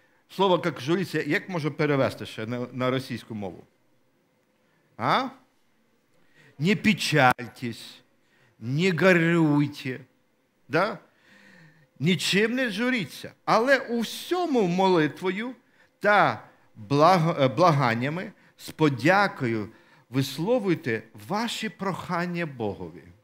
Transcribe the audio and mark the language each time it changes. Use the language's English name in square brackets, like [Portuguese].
[Ukrainian] Слово «как журіться» як можу перевести ще на російську мову? А? [Russian] Не печальтесь, не горюйте. [Ukrainian] Да? Нічим не журіться. Але у всьому молитвою та благаннями з подякою висловуйте ваші прохання Богові.